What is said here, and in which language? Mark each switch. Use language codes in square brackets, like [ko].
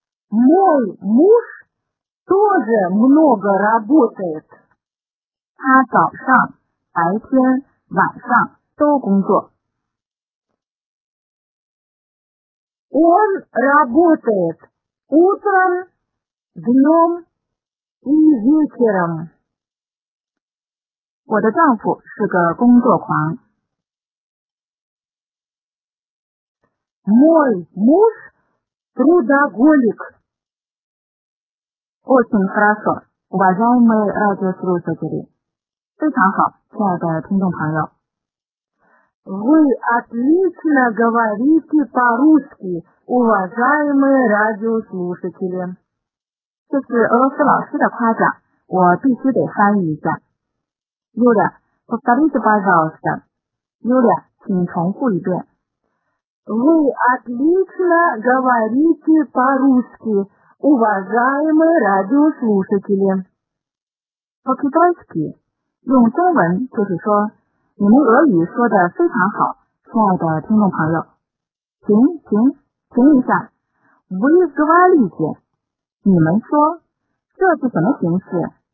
[ru] Мой муж тоже много работает. [zh] 他早上、白天、晚上都工作。 [ru] Он работает утром, днем и вечером. [zh] 我的丈夫是个工作狂。 [ru] Мой муж трудоголик. Очень хорошо, уважаемые радиослушатели. [zh] 非常好，亲爱的听众朋友。 [ru] Вы отлично говорите по-русски, уважаемые радиослушатели. [zh] 这是俄罗斯老师的夸奖，我必须得翻译一下。 [ru] Юля, повторите, пожалуйста. [zh] Юля, 请重复一遍。 [ru] Вы отлично говорите по-русски. Уважаемые радиослушатели, [zh] по-китайски, 用中文就是说，你们俄语说的非常好，亲爱的听众朋友。停停停一下 [ru] ，Вы говорите, [zh] 你们说，这是什么形式？